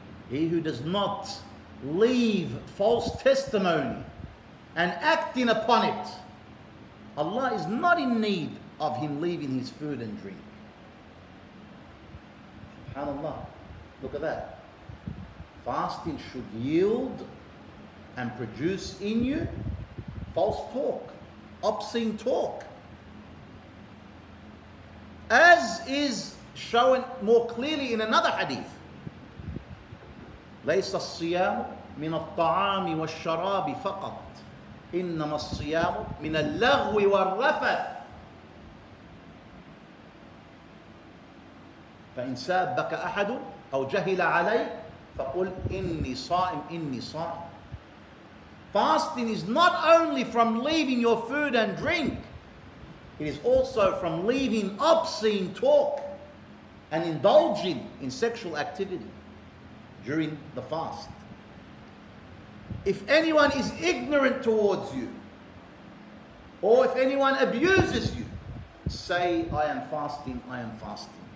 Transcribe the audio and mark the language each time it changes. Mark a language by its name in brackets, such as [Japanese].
[English] He who does not leave false testimony and acting upon it, Allah is not in need of him leaving his food and drink. SubhanAllah, look at that. Fasting should yield and produce in you false talk, obscene talk. As is shown more clearly in another hadith, [Arabic] لَيْسَ الصِّيَامُ مِنَ الطَّعَامِ وَالشَّرَابِ فَقَطْ إِنَّمَا الصِّيَامُ مِنَ اللَّغْوِ وَالرَّفَثِ فَإِنْ سَابَّكَ أَحَدٌ أَوْ جَهِلَ عَلَيْكَ فَقُلْ إِنِّي صَائِمٌ إِنِّي صَائِمٌ. [English] Fasting is not only from leaving your food and drink, it is also from leaving obscene talk and indulging in sexual activity during the fast. If anyone is ignorant towards you, or if anyone abuses you, say, "I am fasting, I am fasting."